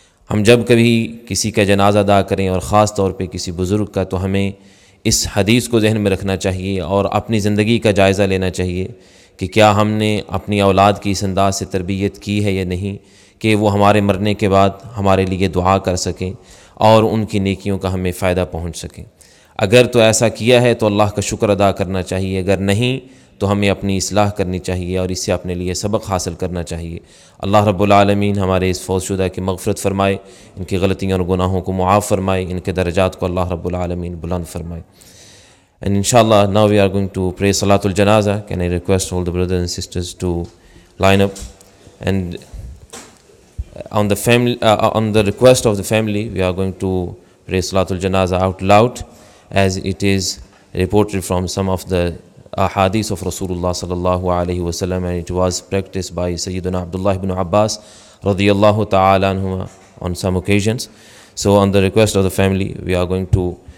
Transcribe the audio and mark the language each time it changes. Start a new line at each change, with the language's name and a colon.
Urdu: Hum jab kabhi kisi ka janaza ada kare aur khaas taur pe kisi buzurg ka, to hame اس حدیث کو ذہن میں رکھنا چاہیے اور اپنی زندگی کا جائزہ لینا چاہیے کہ کیا ہم نے اپنی اولاد کی اس انداز سے تربیت کی ہے یا نہیں کہ وہ ہمارے مرنے کے بعد ہمارے لیے دعا کر سکیں اور ان کی نیکیوں کا ہمیں فائدہ پہنچ سکیں. اگر تو ایسا کیا ہے تو اللہ کا شکر ادا کرنا چاہیے, اگر نہیں تو ہمیں اپنی اصلاح کرنی چاہیے اور اس سے اپنے لیے سبق حاصل کرنا چاہیے. اللہ رب العالمین ہمارے اس فوت شدہ کی مغفرت فرمائے, ان کی غلطیوں اور گناہوں کو معاف فرمائے, ان کے درجات کو اللہ رب العالمین بلند فرمائے.
English: And inshallah, now we are going to pray Salatul Janaza. Can I request all the brothers and sisters to line up? And on the family, on the request of the family, we are going to pray Salatul Janaza out loud, as it is reported from some of the hadith of Rasulullah sallallahu alayhi wa sallam, and it was practiced by Sayyidina Abdullah ibn Abbas radiyallahu ta'ala anhuma on some occasions. So on the request of the family, we are going to